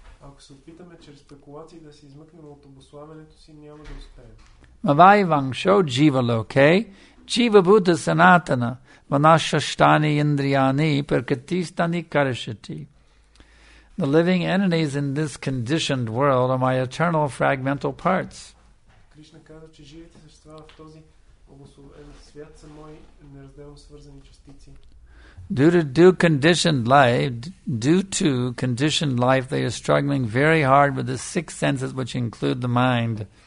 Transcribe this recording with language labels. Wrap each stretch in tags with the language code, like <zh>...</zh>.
<sa>Mavayvang sho jiva loke jiva buddha sanatana vanashashtani indriyani prakritistani karishati.</sa> <en>The living entities in this conditioned world are my eternal fragmental parts.</en> <bg>Krishna каза, че живите същества в този обусловен свят са мои неразделно свързани частици.</bg> <en>Due to conditioned life, they are struggling very hard with the six senses, which include the mind.</en>